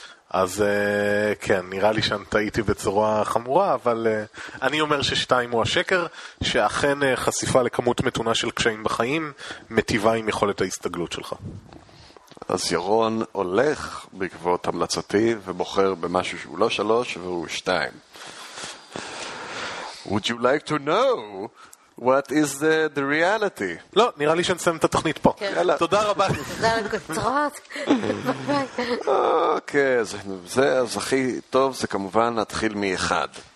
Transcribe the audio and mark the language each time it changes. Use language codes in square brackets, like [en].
[he] אז כן, נראה לי שאני טעיתי בצורה חמורה, אבל אני אומר ששתיים הוא השקר, שאכן חשיפה לכמות מתונה של קשיים בחיים מטיבה עם יכולת ההסתגלות שלך. אז ירון הולך בעקבות המלצתי ובוחר במשהו שהוא לא שלוש והוא שתיים. [en] Would you like to know what is the reality? [he] לא, נראה לי שנסיים את התוכנית פה. יאללה. תודה רבה. תודה לקוצרות. אוקיי, זה אז הכי טוב, זה כמובן נתחיל מאחד.